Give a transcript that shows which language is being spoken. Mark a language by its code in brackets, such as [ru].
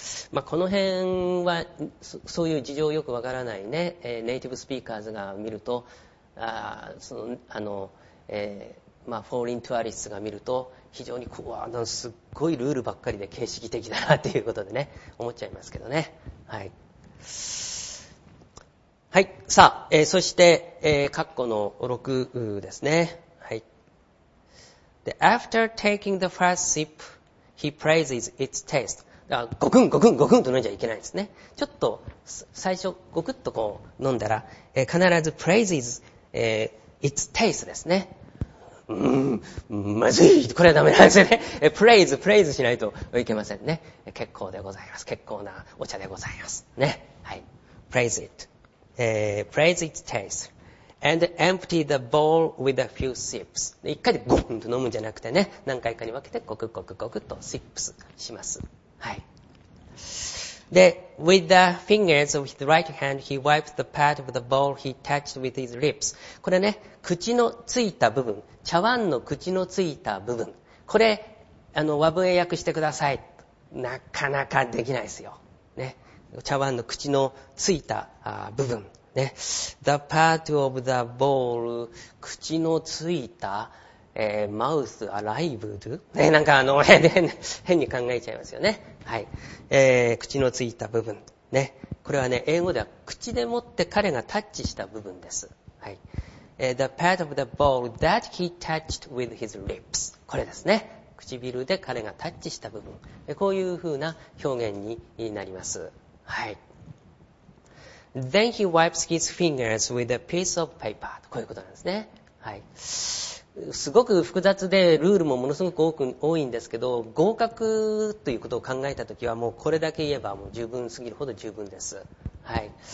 [ja] まあ、この辺は そういう事情よくわからないね、ネイティブスピーカーズが見ると、まあ、フォーリントアリスが見ると非常にこうすっごいルールばっかりで形式的だなということでね、思っちゃいますけどね。はい、はい、さあ、そして、括弧の6ですね。はい。 [en] で、After taking the first sip, he praises its taste. [ja] だからゴクンゴクンゴクンと飲んじゃいけないですね。ちょっと最初ゴクッとこう飲んだら、必ず [en] praises、its taste [ja] ですね。まずい、これはダメなんですよね。プレイズ、プレイズしないといけませんね。結構でございます。結構なお茶でございます。 [en] ね。はい。praise it.、praise its taste. And empty the bowl with a few sips. [ja] 一回でゴンと飲むんじゃなくてね、何回かに分けてゴクゴクゴクとシップスします。はい。 [en] で、with the fingers of his right hand, he wipes the part of the bowl he touched with his lips. [ja] これね、口のついた部分、茶碗の口のついた部分。これ、和文英訳してください。なかなかできないですよ。ね。茶碗の口のついた部分。 [en] ね。the part of the bowl, [ja] 口のついた、 [en] mouth alive do? [ja] ね、なんか変に考えちゃいますよね。はい、口のついた部分ね、これはね英語では口でもって彼がタッチした部分です。 [en] はい、the part of the bowl that he touched with his lips [ja] これですね。唇で彼がタッチした部分、こういう風な表現になります。 [en] はい。Then he wipes his fingers with a piece of paper [ja] こういうことなんですね。 [en] はい。 [ja] すごく複雑でルールもものすごく多いんですけど、合格ということを考えたときはもうこれだけ言えばもう十分すぎるほど十分です。はい。